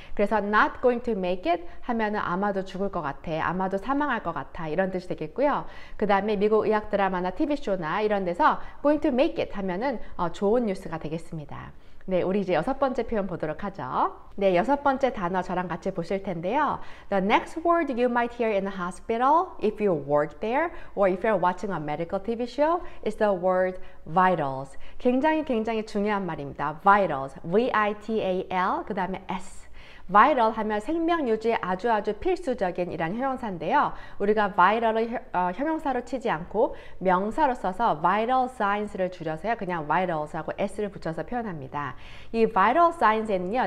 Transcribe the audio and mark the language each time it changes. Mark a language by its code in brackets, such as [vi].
[ko] 그래서 [en] not going to make it [ko] 하면은 아마도 죽을 것 같아. 아마도 사망할 것 같아. 이런 뜻이 되겠고요. 그 다음에 미국 의학 드라마나 TV쇼나 이런 데서 [en] going to make it [ko] 하면은 좋은 뉴스가 되겠습니다. 네, 우리 이제 여섯 번째 표현 보도록 하죠. 네, 여섯 번째 단어 저랑 같이 보실 텐데요. [en] The next word you might hear in the hospital if you work there or if you're watching a medical TV show is the word vitals. [ko] 굉장히 중요한 말입니다. Vitals, V-I-T-A-L, 그 다음에 S. Vital 하면 생명 유지에 아주 필수적인 이란 형용사인데요. 우리가 vital을 형용사로 치지 않고 명사로 써서 vital signs를 줄여서요. 그냥 vitals하고 s를 붙여서 표현합니다. 이 vital signs에는요.